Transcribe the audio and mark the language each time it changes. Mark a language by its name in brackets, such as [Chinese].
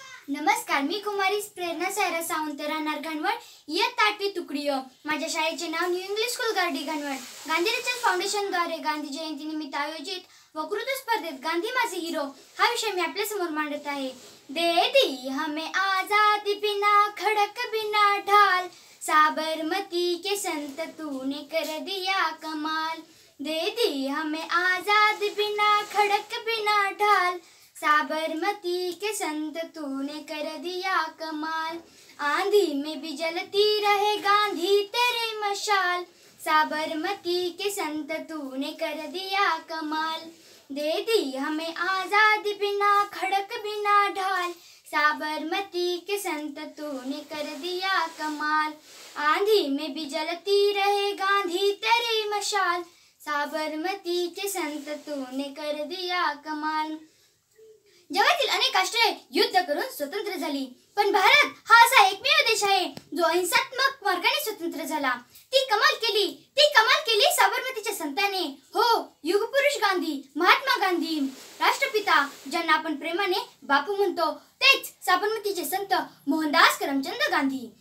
[Marathi] नमस्कार, मी कुमारी प्रेरणा सायरा सावंत राहणार घाणवड. इयत्ता 8वी तुकडी. माझ्या शाळेचे नाव new English school Gardi घाणवड. Gandhinagar फाउंडेशनद्वारे Gandhi जयंती निमित्त आयोजित वक्तृत्व स्पर्धेत गांधी माझे हिरो हा विषय मी आपल्या समोर मांडत आहे. [Hindi] दे दी हमें आजादी बिना खडक बिना ढाल, साबरमती के संत तूने कर दिया कमाल. दे दी हमें आजादी बिना खडक बिना ढाल, साबरमती के संत तूने कर दिया कमाल. आंधी में भी जलती रहे गांधी तेरे मशाल, साबरमती के संत तूने कर दिया कमाल. दे दी हमें आजादी बिना खड़क बिना ढाल, साबरमती के संत तूने कर दिया कमाल. आंधी में भी जलती रहे गांधी तेरे मशाल, साबरमती के संत तूने कर दिया कमाल. [Marathi] जगातील अनेक राष्ट्रे युद्ध करून स्वतंत्र झाली, पण भारत हा असा एकमेव देश आहे जो हिंसात्मक मार्गाने स्वतंत्र झाला. ती कमाल केली साबरमतीच्या संतांनी. हो, युगपुरुष गांधी, महात्मा गांधी, राष्ट्रपिता ज्यांना आपण प्रेमाने बापू म्हणतो, तेच साबरमतीचे संत मोहनदास करमचंद गांधी.